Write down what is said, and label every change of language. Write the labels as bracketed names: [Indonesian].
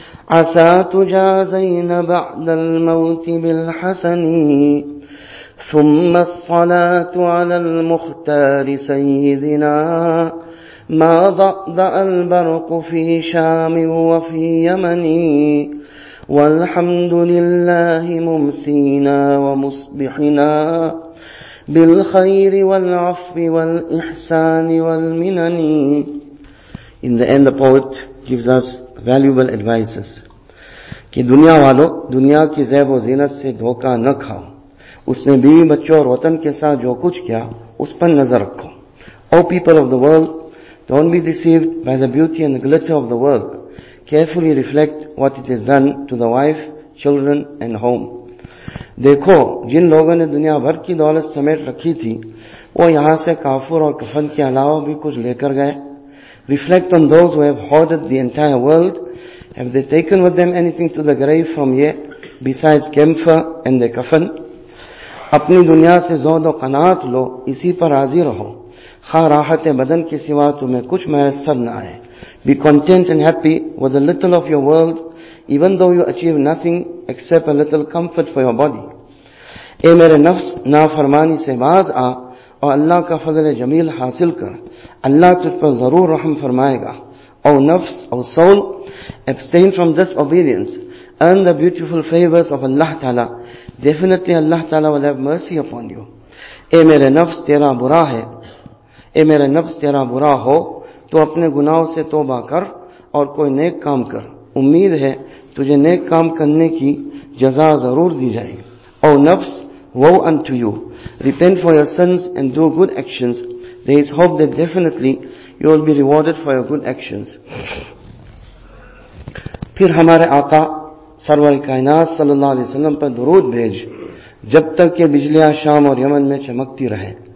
[Arabic] عسى تجازين بعد الموت بالحسن ثم الصلاة على المختار سيدنا ما ضأضأ البرق في شام وفي يمن والحمد لله ممسينا ومصبحنا بالخير والعفو والإحسان والمنن. [English] In the end, the poet gives us valuable advices. [Urdu] کہ دنیا والو, دنیا کی زیب و زینت سے دھوکہ نہ کھاؤ. اس نے بھی بچوں اور وطن کے ساتھ جو کچھ کیا اس پر نظر رکھو. [English] O people of the world, don't be deceived by the beauty and the glitter of the world. Carefully reflect what it has done to the wife, children and home. [Urdu] دیکھو جن لوگوں نے دنیا بھر کی دولت سمیٹ رکھی تھی وہ یہاں سے کافر اور کفن کے علاوہ بھی کچھ لے کر گئے. [English] Reflect on those who have hoarded the entire world. Have they taken with them anything to the grave from here besides camphor and their kafan? [Urdu] اپنی دنیا سے زود و قناعت لو, اسی پر راضی رہو. خواہ راحت بدن کے سوا تمہیں کچھ میسر نہ آئے. [English] Be content and happy with a little of your world, even though you achieve nothing except a little comfort for your body. [Urdu] اے میرے نفس, نافرمانی سے باز آ اور اللہ کا فضل جمیل حاصل کر. اللہ تجھ پر ضرور رحم فرمائے گا. [English] O nafs, O soul, abstain from disobedience. Earn the beautiful favors of Allah Ta'ala. Definitely Allah Ta'ala will have mercy upon you. [Urdu] اے میرے نفس تیرا برا ہے, اے میرے نفس تیرا برا ہو تو اپنے گناہوں سے توبہ کر اور کوئی نیک کام کر. امید ہے تجھے نیک کام کرنے کی جزا ضرور دی جائے. [English] O nafs, woe unto you. Repent for your sins and do good actions. There is hope that definitely you will be rewarded for your good actions. [Urdu] پھر ہمارے آقا سرور کائنات صلی اللہ علیہ وسلم پر درود بھیج جب تک کہ بجلیاں شام اور یمن میں چمکتی رہے